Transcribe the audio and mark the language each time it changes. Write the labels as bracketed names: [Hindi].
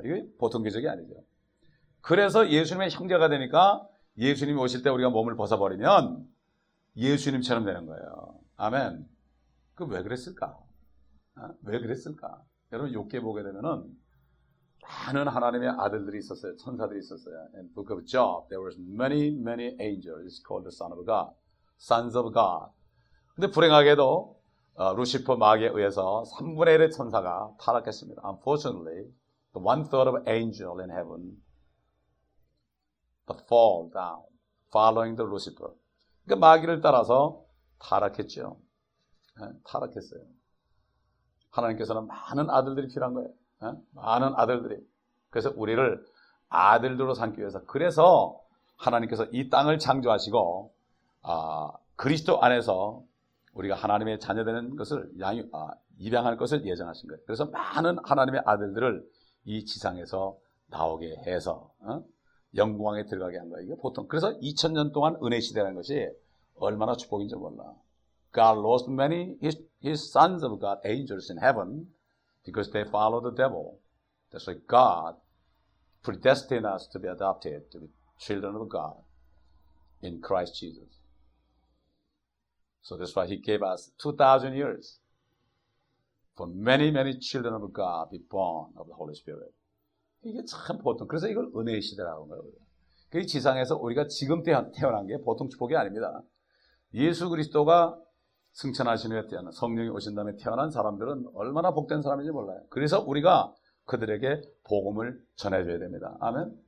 [Korean] 이게 보통 기적이 아니죠. 그래서 예수님의 형제가 되니까 예수님이 오실 때 우리가 몸을 벗어버리면 예수님처럼 되는 거예요. 아멘. 그 왜 그랬을까? 왜 그랬을까? 여러분 욕해 보게 되면은 많은 하나님의 아들들이 있었어요. 천사들이 있었어요. [English] In the book of Job, there were many, many angels. It's called the Son of God. Sons of God. [Korean] 근데 불행하게도 루시퍼 마귀에 의해서 3분의 1의 천사가 타락했습니다. [English] Unfortunately, the one third of angel in heaven but fall down following the Lucifer. [Korean] 그러니까 마귀를 따라서 타락했죠. 네, 타락했어요. 하나님께서는 많은 아들들이 필요한 거예요. 네? 많은 아들들이. 그래서 우리를 아들들로 삼기 위해서 그래서 하나님께서 이 땅을 창조하시고 그리스도 안에서 우리가 하나님의 자녀되는 것을 입양할 것을 예정하신 거예요. 그래서 많은 하나님의 아들들을 이 지상에서 나오게 해서 영광에 들어가게 한 거예요. 이게 보통. 그래서 2000년 동안 은혜 시대라는 것이 얼마나 축복인지 몰라. [English] God lost many his sons of God, angels in heaven because they followed the devil. That's why God predestined us to be adopted to be children of God in Christ Jesus. So that's why he gave us 2,000 years for many, many children of God to be born of the Holy Spirit. [Korean] 이게 참 보통. 그래서 이걸 은혜의 시대라고 한 거예요. 그 지상에서 우리가 지금 태어난 게 보통 축복이 아닙니다. 예수 그리스도가 승천하신 후에 태어난, 성령이 오신 다음에 태어난 사람들은 얼마나 복된 사람인지 몰라요. 그래서 우리가 그들에게 복음을 전해줘야 됩니다. 아멘.